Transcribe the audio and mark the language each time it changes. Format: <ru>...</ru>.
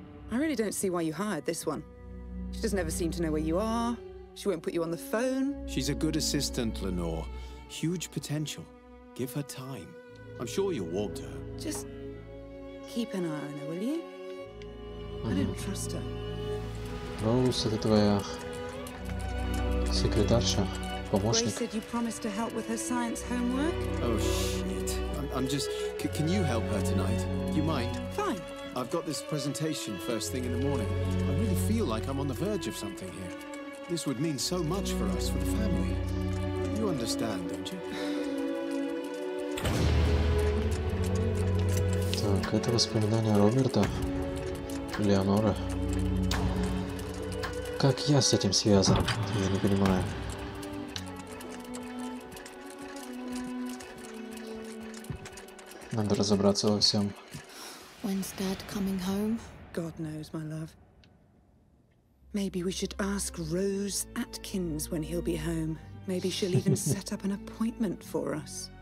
<en>I really don't see why you hired this one. She doesn't ever seem to know where you are. She won't put you on the phone. She's a good assistant, Lenore. Huge potential. Give her time. I'm sure you'll warm to her. Just keep an eye on her, will you? I don't trust her.</en> <ru>Rose, это твоя секретарша. Помощник.</ru> <en>Grace said you promised to help with her science homework. Oh shit! Can you help her tonight? You mind? Fine. I've got this presentation first thing in the morning. I really feel like I'm on the verge of something here. This would mean so much for us, for the family. You understand, don't you?</en> <ru>Так, это воспоминания Роберта, Леонора. Как я с этим связан? Я не понимаю. Надо разобраться во всем.</ru> <en>When's Dad coming home? God knows, my love. Maybe we should ask Rose Atkins when he'll be home. Maybe she'll even set up an appointment for us.</en>